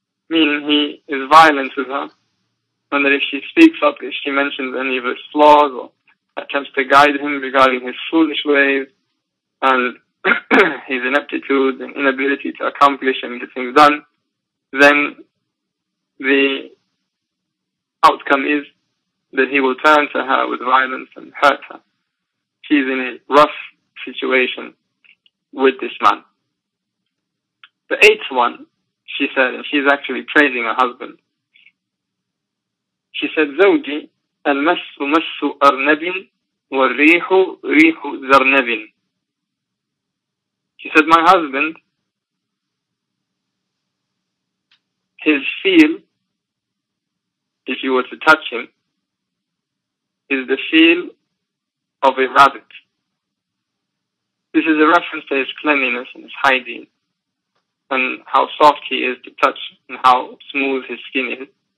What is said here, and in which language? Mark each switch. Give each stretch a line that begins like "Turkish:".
English: Meaning he is violent with her, and that if she speaks up, if she mentions any of his flaws or attempts to guide him regarding his foolish ways and his ineptitude and inability to accomplish and get things done, then the outcome is that he will turn to her with violence and hurt her. she's in a rough situation with this man. The eighth one, she said, and she's actually praising her husband. She said,
Arabic: زوجي المس مس أرنب والريح ريح زرنب.
English: She said, my husband, his feel, if you were to touch him, is the feel of a rabbit. This is a reference to his cleanliness and his hygiene, and how soft he is to touch, and how smooth his skin is.